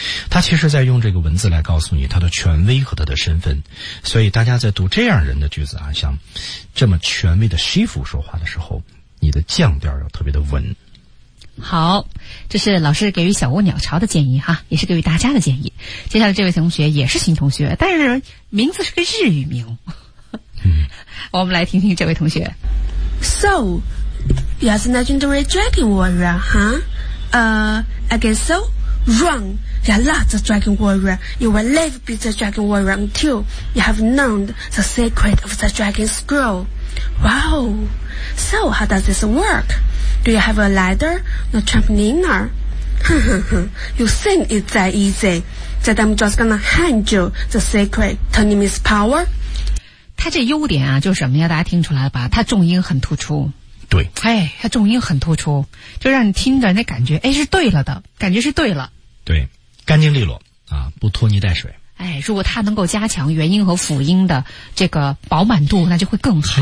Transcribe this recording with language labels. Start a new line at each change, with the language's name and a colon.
Chinese: 它其实在用这个文字来告诉你它的权威和它的身份，所以大家在读这样人的句子啊，像这么权威的师傅说话的时候，你的降调要特别的稳。好，这是老师给予小蜗鸟巢的建议哈，也是给予大家的建议。接下来这位同学也是新同学，但是名字是个日语名。我们来听听这位同学。
English: So, you are the legendary dragon warrior, huh? I guess so. Wrong. You are not the dragon warrior. You will never be the dragon warrior until you have known the secret of the dragon scroll. Wow. So, how does this work? Do you have a ladder? A trampoline? You think it's that easy? That I'm just gonna hand you the secret to Nimi's power?
Chinese: 他这优点啊，就是什么呀？大家听出来吧？他重音很突出。对。哎，他重音很突出，就让你听着那感觉，哎，是对了的，感觉是对了。对，干净利落啊，不拖泥带水。哎，如果它能够加强元音和辅音的这个饱满度，那就会更好。